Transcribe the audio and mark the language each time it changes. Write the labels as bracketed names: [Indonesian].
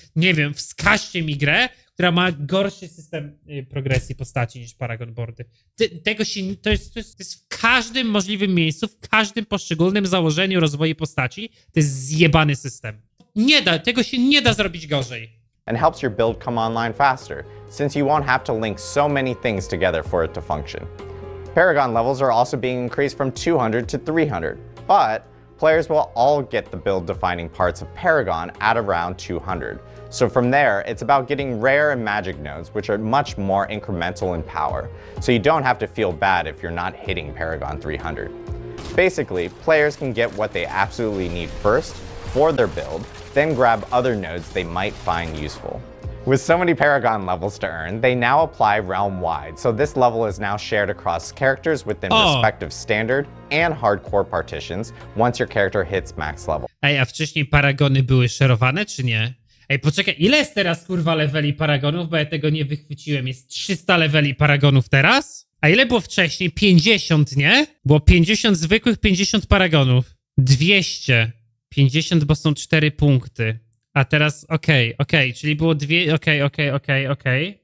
[Polish] Nie wiem, wskażcie mi grę, która ma gorszy system progresji postaci niż Paragon Boardy. To jest w każdym możliwym miejscu, w każdym poszczególnym założeniu rozwoju postaci, to jest zjebany system. Nie da, tego się nie da zrobić gorzej. [English] And helps your build come online faster, since you won't have to link so many things together for it to function. Paragon levels are also being increased from 200 to 300, but players will all get the build defining parts of Paragon at around 200. So from there, it's about getting rare and magic nodes, which are much more incremental in power. So you don't have to feel bad if you're not hitting Paragon 300. Basically, players can get what they absolutely need first for their build, then grab other nodes they might find useful. With so many Paragon levels to earn, they now apply realm-wide. So this level is now shared across characters within respective standard and hardcore partitions once your character hits max level. [Polish] Ej, a wcześniej Paragony były szerowane, czy nie? Ej, poczekaj, ile jest teraz, kurwa, leveli paragonów, bo ja tego nie wychwyciłem. Jest 300 leveli paragonów teraz? A ile było wcześniej? 50, nie? Było 50 zwykłych, 50 paragonów. 200. 50, bo są 4 punkty. A teraz, okej, czyli było dwie, okej.